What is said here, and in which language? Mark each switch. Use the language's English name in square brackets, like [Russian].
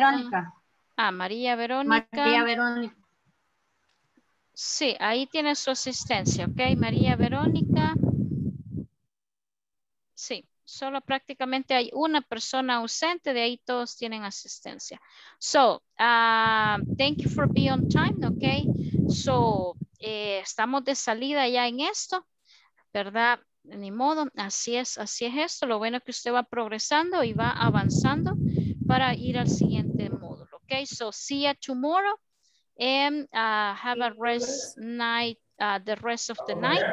[Spanish] Verónica. Ah, María Verónica. María Verónica. Sí, ahí tiene su asistencia, ok. María Verónica. Sí, solo prácticamente hay una persona ausente, de ahí todos tienen asistencia. [English] So, thank you for being on time, ok. [Spanish] So, estamos de salida ya en esto, ¿verdad? Ni modo, así es esto. Lo bueno es que usted va progresando y va avanzando para ir al siguiente módulo, ok. [English] So, see you tomorrow and have a rest night, the rest of the night.